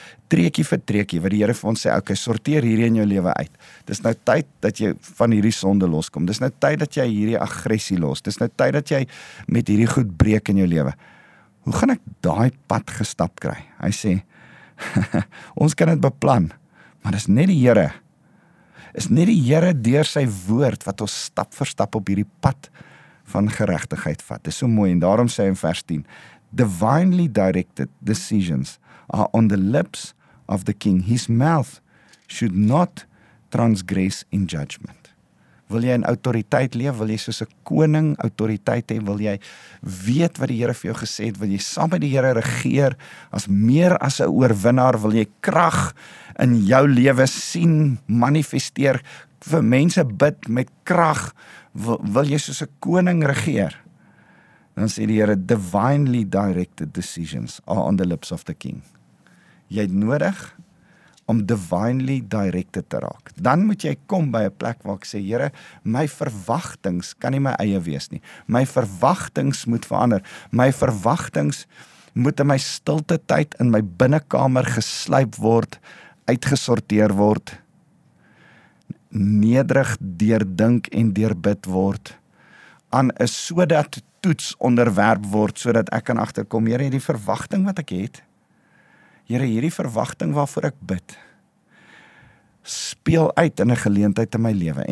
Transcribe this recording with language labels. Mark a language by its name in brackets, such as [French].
[Afrikaans] treekie vir treekie, wat die Here vir ons sê, okay, sorteer hierdie in jou lewe uit. Dis nou tyd dat jy van hierdie sonde loskom. Dis nou tyd dat jy hierdie aggressie los. Dis nou tyd dat jy met hierdie goed breek in jou lewe. Hoe gaan ek daai pad gestap kry? Hy sê, ons kan dit beplan, maar dis net die Here. Is net die Here deur sy woord wat ons stap vir stap op hierdie pad van geregtigheid vat. Dis so mooi en daarom sê hy in vers 10, [English] divinely directed decisions are on the lips of the king. His mouth should not transgress in judgment. [Afrikaans] Wil jy in autoriteit leef? Wil jy soos 'n koning autoriteit hê? Wil jy weet wat die Here vir jou gesê het? Wil jy saam met die Here regeer as meer as 'n oorwinnaar? Wil jy krag in jou lewe sien manifesteer? Vir mense bid met krag? Wil jy soos 'n koning regeer? Dan sê die Here, [English] divinely directed decisions are on the lips of the king. [Afrikaans] Jy het nodig om [English] divinely directed [Afrikaans] te raak. Dan moet jy kom by 'n plek waar ek sê, Here, my verwagtings kan nie my eie wees nie. My verwagtings moet verander. My verwagtings moet in my stilte tyd in my binnekamer gesluip word, uitgesorteer word, nederig deurdink en deurbid word, aan 'n sodat toets onderwerp word, sodat ek kan agterkom, Here, hierdie verwagting wat ek het, Here, hierdie verwagting waarvoor ek bid, speel uit in 'n geleentheid in my lewe.